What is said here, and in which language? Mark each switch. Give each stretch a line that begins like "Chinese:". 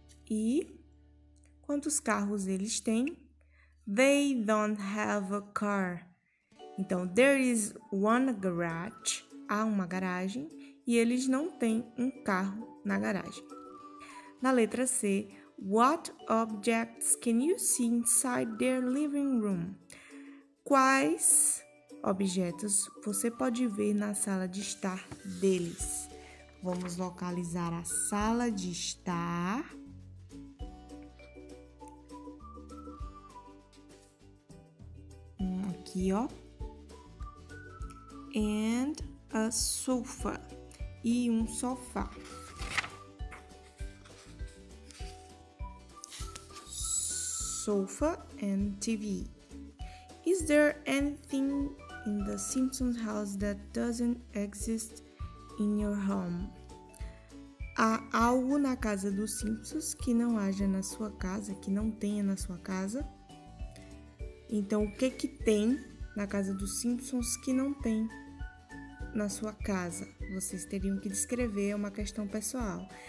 Portuguese: E quantos carros eles têm?
English: They don't have a car. Então, there is one garage.
Portuguese: Há uma garagem. E eles não têm um carro na garagem. Na letra C,
English: what objects can you see inside their living room?
Portuguese: Quais objetos você pode ver na sala de estar deles? Vamos localizar a sala de estar. Aqui, ó.
English: And a sofa.
Portuguese: E um sofá.
English: Sofa and TV. Is there anything in the Simpsons house that doesn't exist in your home?
Portuguese: Há algo na casa dos Simpsons que não haja na sua casa, que não tenha na sua casa? Então, o que que tem na casa dos Simpsons que não tem na sua casa? Vocês teriam que descrever, é uma questão pessoal.